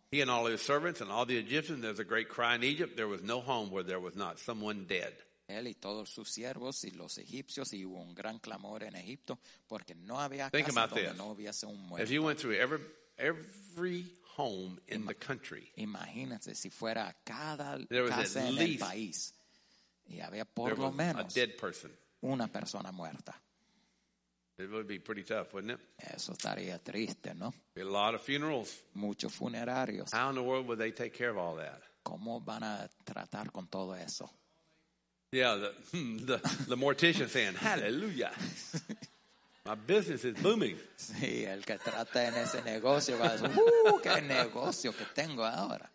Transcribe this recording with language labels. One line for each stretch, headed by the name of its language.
English: He and all his servants and all the Egyptians. There's a great cry in Egypt. There was no home where there was not someone dead.
Spanish: Él y todos sus siervos y los egipcios, y hubo un gran clamor en Egipto porque no había
English: Think
Spanish: casa
English: about
Spanish: donde
English: this.
Spanish: No hubiese un muerto.
English: If you went through every home in the country.
Spanish: Imagínate si fuera a cada casa en el país y había por lo menos
English: a dead person.
Spanish: Una persona muerta.
English: It would be pretty tough, wouldn't it?
Spanish: Eso estaría triste, ¿no?
English: Be a lot of funerals.
Spanish: Muchos funerarios.
English: How in the world would they take care of all that?
Spanish: ¿Cómo van a tratar con todo eso?
English: Yeah, the mortician saying, "Hallelujah." My business is booming.
Spanish: Sí, el que trata en ese negocio va a decir, qué negocio que tengo ahora.